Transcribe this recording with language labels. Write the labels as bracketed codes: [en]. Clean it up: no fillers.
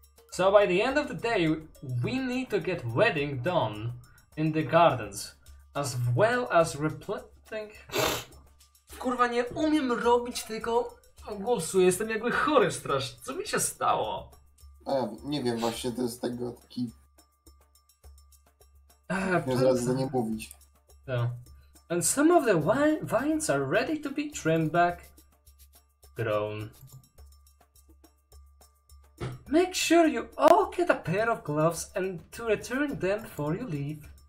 [en] So by the end of the day, we need to get wedding done in the gardens, as well as replanting. [pl] Kurwa, nie umiem robić tego głosu, jestem jakby chory strasznie. Co mi się stało? Nie wiem, właśnie to jest tego taki... Nie zaraz za nie mówić. [en] And some of the vines are ready to be trimmed back. Groan. Make sure you all get a pair of gloves and to return them before you leave.